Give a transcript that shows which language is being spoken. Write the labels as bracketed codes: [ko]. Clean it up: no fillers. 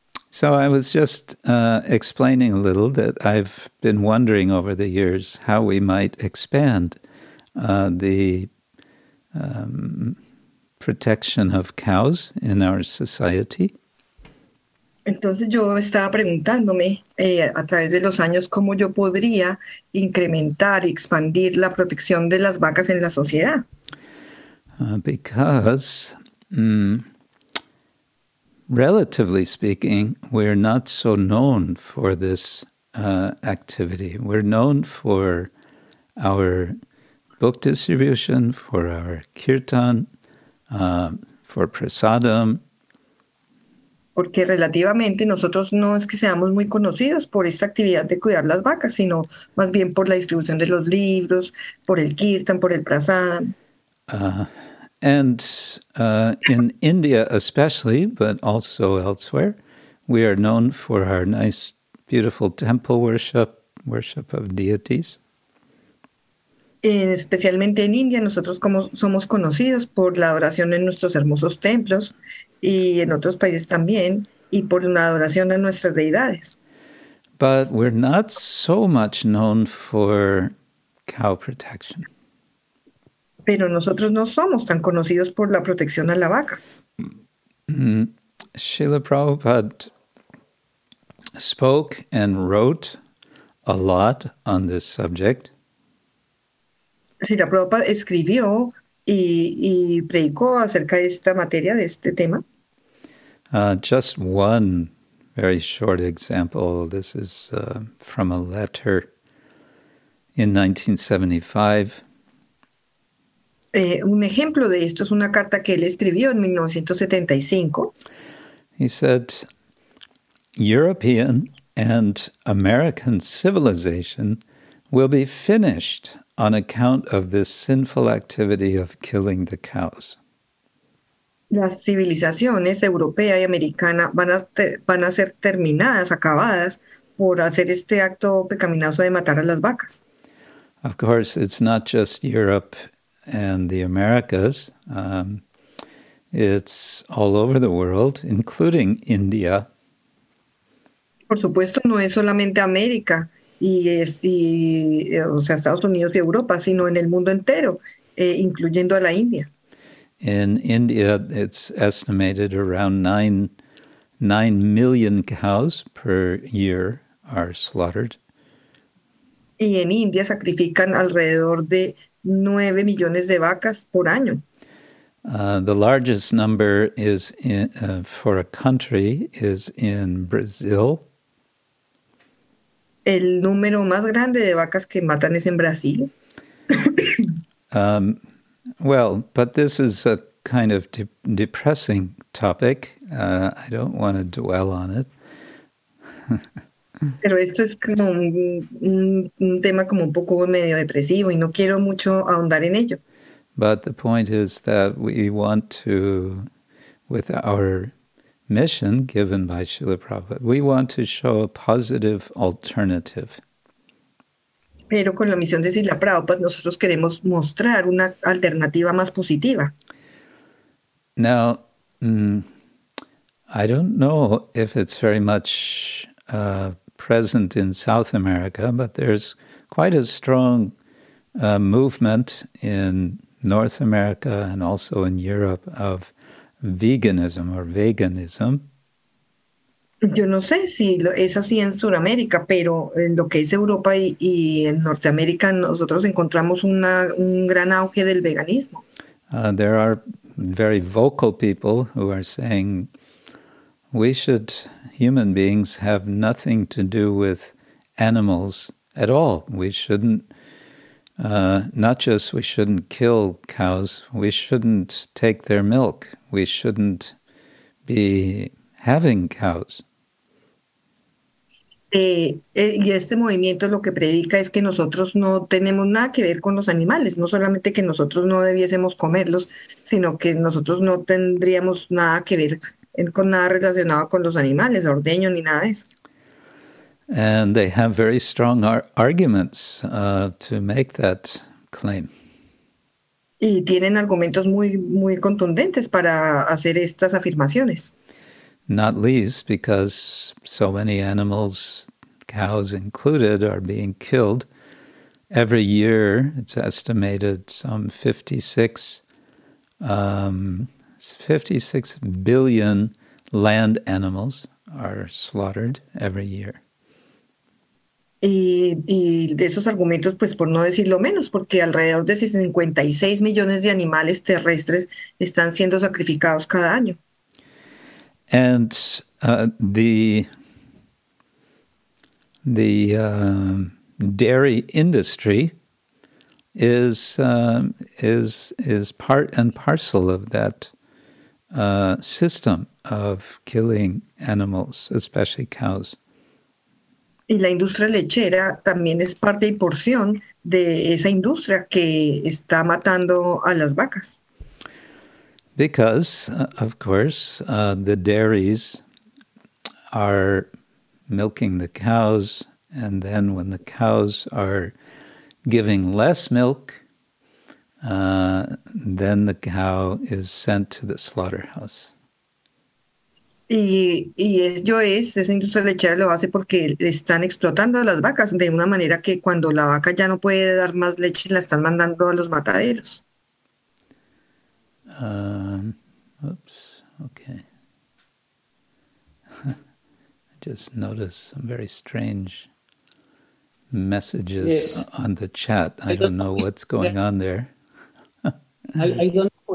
[en] So I was just explaining a little that I've been wondering over the years how we might expand the protection of cows in our society. [es] Entonces yo estaba preguntándome a través de los años cómo yo podría incrementar y expandir la protección de las vacas en la sociedad. [en] Because, relatively speaking, we're not so known for this activity. We're known for our book distribution, for our kirtan, for prasadam. [es] Porque relativamente nosotros no es que seamos muy conocidos por esta actividad de cuidar las vacas, sino más bien por la distribución de los libros, por el kirtan, por el prasadam. [en] In India especially, but also elsewhere, we are known for our nice beautiful temple worship, worship of deities. [es] Especialmente en India, nosotros como somos conocidos por la adoración en nuestros hermosos templos y en otros países también, y por la adoración a nuestras deidades. [en] But we're not so much known for cow protection. [es] Pero nosotros no somos tan conocidos por la protección a la vaca. [en] Srila Prabhupada spoke and wrote a lot on this subject. [es] Srila Prabhupada escribió y predicó acerca de esta materia, de este tema. [en] Just one very short example. This is from a letter in 1975. [es] Un ejemplo de esto es una carta que él escribió en 1975. [en] He said, "European and American civilization will be finished on account of this sinful activity of killing the cows." [es] Las civilizaciones europea y americana van a ser terminadas, acabadas, por hacer este acto pecaminoso de matar a las vacas. [en] Of course, it's not just Europe and the Americas. It's all over the world, including India. [es] Por supuesto, no es solamente América y Estados Unidos y Europa, sino en el mundo entero, incluyendo a la India. [en] In India, it's estimated around 9 million cows per year are slaughtered. [es] Y en India sacrifican alrededor de 9 millones de vacas por año. [en] The largest number is for a country is in Brazil. [es] El número más grande de vacas que matan es en Brasil. [en] Well, but this is a kind of depressing topic. I don't want to dwell on it. [es] Pero esto es como un tema como un poco medio depresivo y no quiero mucho ahondar en ello. [en] But the point is that we want to, with our mission given by Srila Prabhupada, we want to show a positive alternative. [es] Pero con la misión de Srila Prabhupada, nosotros queremos mostrar una alternativa más positiva. [en] Now, I don't know if it's very much present in South America, but there's quite a strong movement in North America and also in Europe of veganism or veganism. [es] Yo no sé si es así en Sudamérica, pero en lo que es Europa y en Norteamérica nosotros encontramos un gran auge del veganismo. [en] There are very vocal people who are saying we should, human beings, have nothing to do with animals at all. We shouldn't, not just we shouldn't kill cows, we shouldn't take their milk, we shouldn't be having cows. [es] Y este movimiento lo que predica es que nosotros no tenemos nada que ver con los animales, no solamente que nosotros no debiésemos comerlos, sino que nosotros no tendríamos nada que ver con nada relacionado con los animales, ordeño ni nada de eso. [en] And they have very strong arguments to make that claim. [es] Y tienen argumentos muy, muy contundentes para hacer estas afirmaciones. [en] Not least because so many animals, cows included, are being killed. Every year, it's estimated some 56 billion land animals are slaughtered every year. [es] Y de esos argumentos, pues por no decir lo menos, porque alrededor de 56 millones de animales terrestres están siendo sacrificados cada año. [en] And the dairy industry is part and parcel of that system of killing animals, especially cows. [es] Y la industria lechera también es parte y porción de esa industria que está matando a las vacas. [en] Because, of course, the dairies are milking the cows, and then when the cows are giving less milk, then the cow is sent to the slaughterhouse. [es] Y ello es, esa industria lechera lo hace porque le están explotando a las vacas de una manera que cuando la vaca ya no puede dar más leche, la están mandando a los mataderos. [en] I just noticed some very strange messages on the chat. I don't know what's going on there. I don't know.